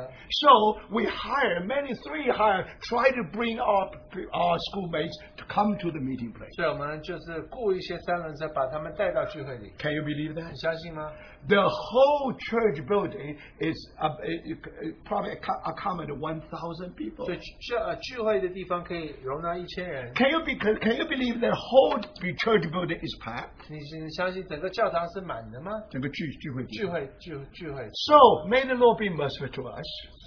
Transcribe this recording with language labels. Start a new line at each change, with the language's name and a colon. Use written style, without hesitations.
English: So we hire many try to bring our schoolmates to come to the meeting place. Can you believe that?
Chinese: 你相信吗?
English: The whole church building is probably accommodate 1,000 people.
Chinese: 所以聚会的地方可以容纳1,000人。
English: Can you believe the whole church building is packed?
Chinese: 你相信整个 教堂是满的吗? 整个聚会。
English: So may the Lord be merciful to us.